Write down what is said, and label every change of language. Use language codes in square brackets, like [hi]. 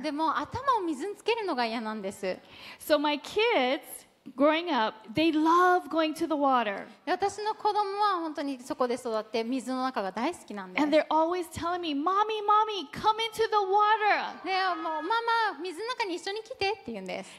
[ja] でも、頭を水につけるのが嫌なんです。 [en] So my kids... Growing up, they love going to the water. [ja] 私の子供は本当にそこで育って水の中が大好きなんです。 [en] And they're always telling me, "Mommy, mommy, come into the water." [ja] で、もうママ、水の中に一緒に来てって言うんです。